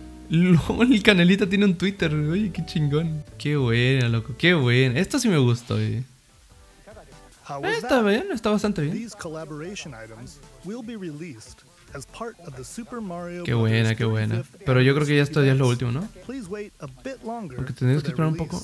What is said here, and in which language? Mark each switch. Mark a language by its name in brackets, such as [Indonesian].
[Spanish] LOL, el canelita tiene un Twitter. Oye, qué chingón. Qué buena, loco. Qué buena. Esto sí me gustó, güey. Está bien, está bastante bien. [English] These collaboration items will be released as part of the Super Mario. [Spanish] Qué buena, qué buena. Pero yo creo que ya esto ya es lo último, ¿no? Porque tendrías que esperar un poco.